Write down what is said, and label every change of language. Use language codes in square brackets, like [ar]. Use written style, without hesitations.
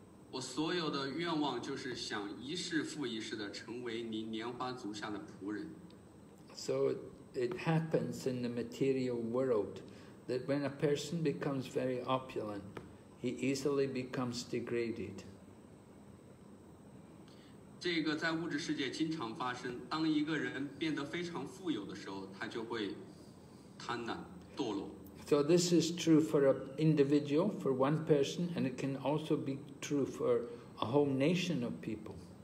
[zh] 我所有的愿望就是想一世复一世的成为您莲花足下的仆人。 [en] So it happens in the material world that when a person becomes very opulent, he easily becomes degraded. [zh] 这个在物质世界经常发生，当一个人变得非常富有的时候，他就会贪婪堕落。 [en] So this is true for an individual, for one person, and it can also be true for a whole nation of people.